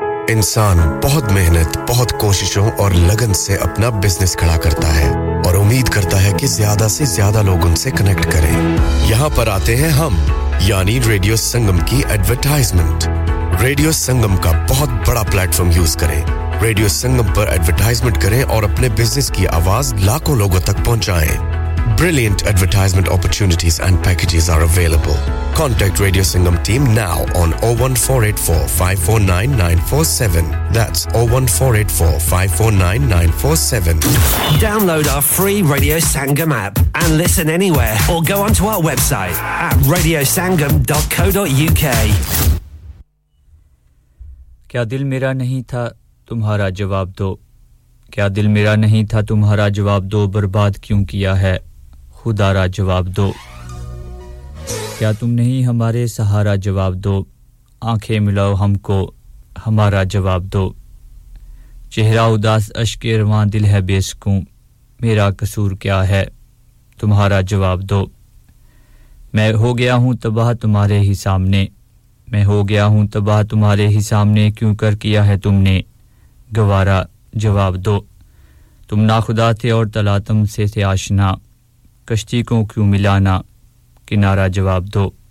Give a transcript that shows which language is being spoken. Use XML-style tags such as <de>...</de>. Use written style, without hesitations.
<hi>इंसान बहुत मेहनत, बहुत कोशिशों और लगन से अपना बिजनेस खड़ा करता है और उम्मीद करता है कि ज्यादा से ज्यादा लोग उनसे कनेक्ट करें। यहां पर आते हैं हम, यानी रेडियो संगम की एडवर्टाइजमेंट। रेडियो संगम का बहुत बड़ा प्लेटफॉर्म यूज करें, रेडियो संगम पर एडवर्टाइजमेंट करें और अपने बिजनेस की आवाज लाखों लोगों तक पहुंचाएं।</hi> <en>Brilliant advertisement opportunities and packages are available. Contact Radio Sangam team now on 01484-549-947. That's 01484-549-947. Download our free Radio Sangam app and listen anywhere or go onto our website at radiosangam.co.uk.</en> <hi>Kya dil mera nahi tha, tumhara jawab do. Kya dil mera nahi tha, tumhara jawab do. Barbaad kyun kiya hai? खुदारा जवाब दो। क्या तुम नहीं हमारे सहारा जवाब दो आंखें मिलाओ हमको हमारा जवाब दो चेहरा उदास अश्के रवां दिल है बेसकूं मेरा कसूर क्या है तुम्हारा जवाब दो मैं हो गया हूं तबाह तुम्हारे ही सामने मैं हो गया हूं तबाह तुम्हारे ही सामने क्यों कर किया है तुमने गवारा जवाब दो तुम नाखुदा थे और तलातम से आशना कश्ती को क्यों मिलाना किनारा जवाब दो</hi>